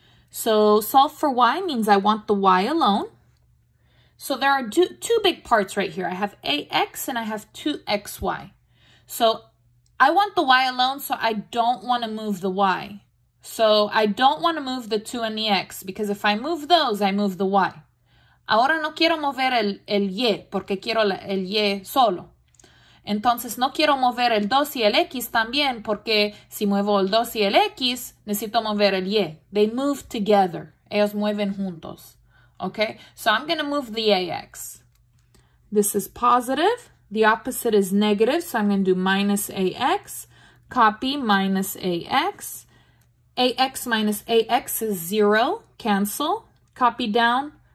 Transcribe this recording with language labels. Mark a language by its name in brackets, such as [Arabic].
[English] So solve for y means I want the y alone. So there are two big parts right here. I have ax and I have 2xy. So I want the y alone, so I don't want to move the y. So I don't want to move the 2 and the x, because if I move those, I move the y. [Spanish] Ahora no quiero mover el y, porque quiero el y solo. Entonces no quiero mover el 2 y el x también, porque si muevo el 2 y el x, necesito mover el y. [English] They move together. [Spanish] Ellos mueven juntos. [English] Okay, so I'm going to move the ax. This is positive. The opposite is negative, so I'm going to do minus ax. Copy minus ax. Ax minus ax is 0. Cancel. Copy down.